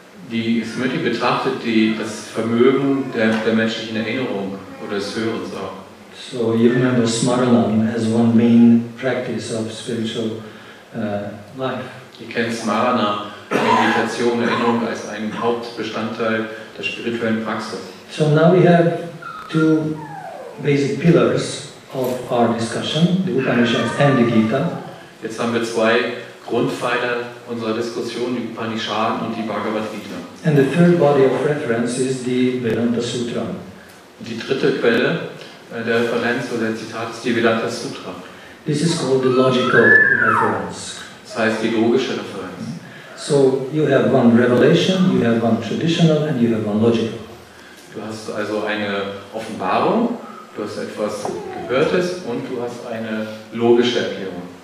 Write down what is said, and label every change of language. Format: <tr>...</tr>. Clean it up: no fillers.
<de>Die Smriti betrachtet das Vermögen der menschlichen Erinnerung oder des Hörens auch.</de> <en>So you remember Smaranam as one main practice of spiritual life.</en> <de>Ihr kennt Smaranam. Meditation, Erinnerung als einen Hauptbestandteil der spirituellen Praxis.</de> <en>So now we have two basic pillars of our discussion, the Upanishads and the Gita.</en> <de>Jetzt haben wir zwei Grundpfeiler unserer Diskussion, die Upanishaden und die Bhagavad Gita.</de> <en>And the third body of reference is the Vedanta Sutra.</en> <de>Und die dritte Quelle der Referenz oder der Zitat ist die Vedanta Sutra.</de> <en>This is called the logical reference.</en> <de>Das heißt die logische Referenz.</de> <en>So you have one revelation, you have one traditional, and you have one logical.</en> <de>Du hast also eine Offenbarung, du hast etwas Gehörtes und du hast eine logische Erklärung.</de>